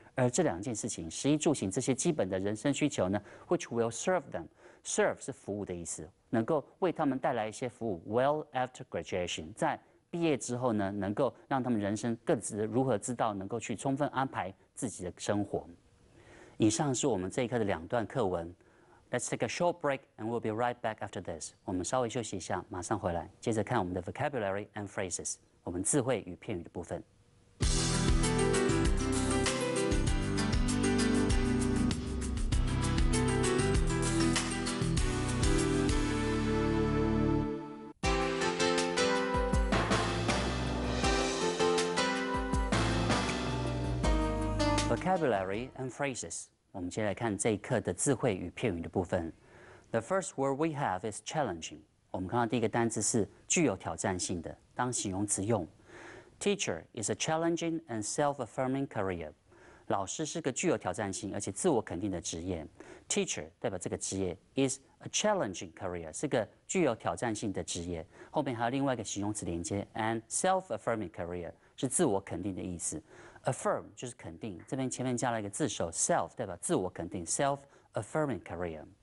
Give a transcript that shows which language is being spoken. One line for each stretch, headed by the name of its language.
Chinese: 而这两件事情，食衣住行这些基本的人生需求呢 ，
English: which will serve them，
Chinese: serve 是服务的意思，能够为他们带来一些服务。
English: Well after graduation，
Chinese: 在毕业之后呢，能够让他们人生更知如何知道能够去充分安排自己的生活。以上是我们这一课的两段课文。
English: Let's take a short break and we'll be right back after this.
Chinese: 我们稍微休息一下，马上回来，接着看我们的
English: vocabulary and phrases，
Chinese: 我们智慧与片语的部分。
English: Vocabulary and phrases.
Chinese: 我们接下来看这一课的智慧与片语的部分。
English: The first word we have is challenging.
Chinese: 我们看到第一个单字是具有挑战性的，当形容词用。
English: Teacher is a challenging and self-affirming career.
Chinese: 老师是个具有挑战性而且自我肯定的职业。 Teacher 代表这个职业
English: is a challenging career，
Chinese: 是个具有挑战性的职业。后面还有另外一个形容词连接
English: and self-affirming career
Chinese: 是自我肯定的意思。 Affirm 就是肯定，这边前面加了一个字首 self， 代表自我肯定
English: self-affirming career。